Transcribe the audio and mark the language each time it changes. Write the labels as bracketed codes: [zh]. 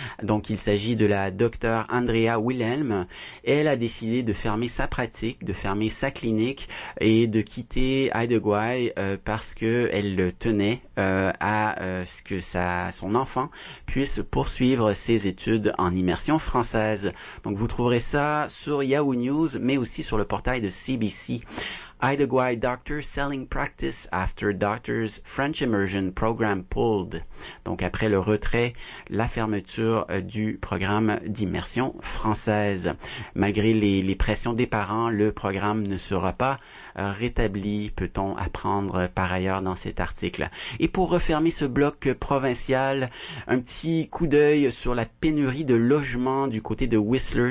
[fr] Donc il s'agit de la docteure Andrea Wilhelm. Elle a décidé de fermer sa pratique, de fermer sa clinique et de quitter Haida-Gwaii parce que elle tenait à ce que son enfant puisse poursuivre ses études en immersion française. Donc vous trouverez ça sur Yahoo News, mais aussi sur le portail de CBC. [en] Idaguay doctor selling practice after doctor's French immersion program pulled. [fr] Donc après le retrait, la fermeture du programme d'immersion française. Malgré les pressions des parents, le programme ne sera pas rétabli, peut-on apprendre par ailleurs dans cet article. Et pour refermer ce bloc provincial, un petit coup d'œil sur la pénurie de logements du côté de Whistler.